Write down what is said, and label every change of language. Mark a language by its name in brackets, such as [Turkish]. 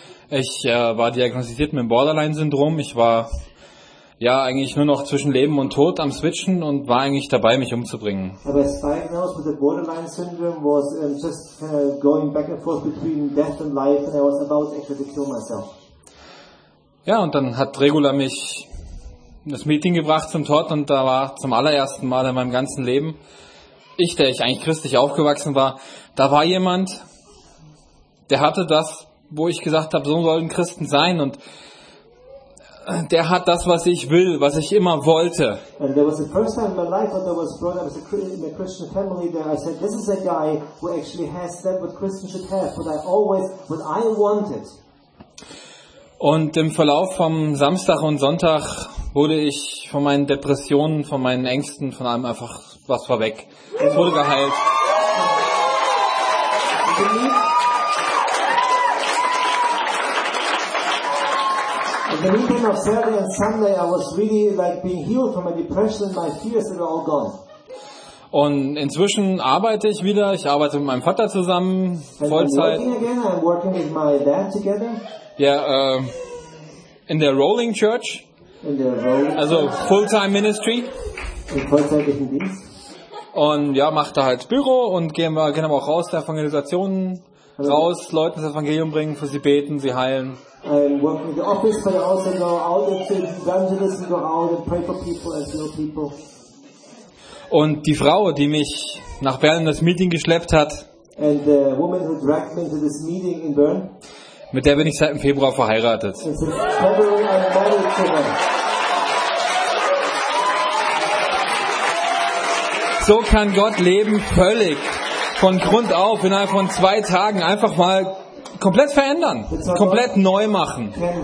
[German] Ich war diagnostiziert mit Borderline-Syndrom. Ich war ja eigentlich nur noch zwischen Leben und Tod am Switchen und war eigentlich dabei, mich umzubringen. Aber es war [English] diagnosed with a borderline syndrome, was just going back and forth between death and life, and I was about actually to kill myself. [German] Ja, und dann hat Regula mich das Meeting gebracht zum Tod, und da war zum allerersten Mal in meinem ganzen Leben, der ich eigentlich christlich aufgewachsen war, da war jemand, der hatte das, wo ich gesagt habe, so sollen Christen sein, und der hat das, was ich will, was ich immer wollte. [English] And there was the first time in my life that I was brought up as a in a Christian family that I said, this is a guy who actually has that what Christians should have, what I wanted. [German] Und im Verlauf vom Samstag und Sonntag wurde ich von meinen Depressionen, von meinen Ängsten, von allem einfach, was war weg. Ich wurde geheilt. [English] The meeting of Saturday and Sunday, I was really like being healed from my depression, my fears, they were all gone. [German] Und inzwischen arbeite ich wieder. Ich arbeite mit meinem Vater zusammen, Vollzeit. [English] I'm working with my dad together. [German] Ja, in der Rolling Church. In der Rolling Church. [English] Also Full-Time Ministry. [German] Im vollzeitlichen Dienst. Und ja, mache da halt Büro und gehen aber auch raus der Evangelisation. Raus, Leuten das Evangelium bringen, für sie beten, sie heilen. [English] I'm working in the office, but I also go out and to evangelism, go out and pray for people and heal people. [German] Und die Frau, die mich nach Bern in das Meeting geschleppt hat, [English] and the woman who dragged me to this meeting in Bern, [German] mit der bin ich seit Februar verheiratet. So kann Gott Leben völlig von Grund auf innerhalb von 2 Tagen einfach mal komplett verändern, komplett neu machen.